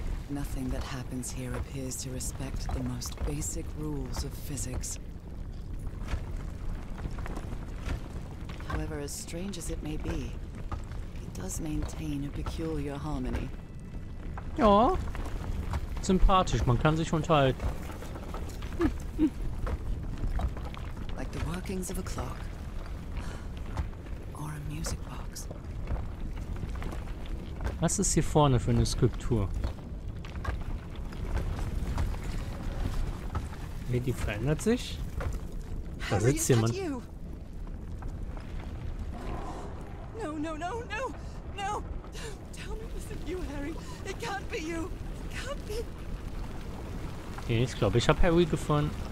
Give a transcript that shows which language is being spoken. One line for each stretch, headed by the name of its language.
English: Nothing that happens here appears to respect the most basic rules of physics. However, as strange as it may be, it does maintain a peculiar harmony.
German: Ja. Sympathisch, man kann sich unterhalten.
English: Like the workings of a clock or a music box.
German: Was ist hier vorne für eine Skulptur? Nee, die verändert sich. Da sitzt jemand. Okay, ich glaube, ich habe Harry gefunden.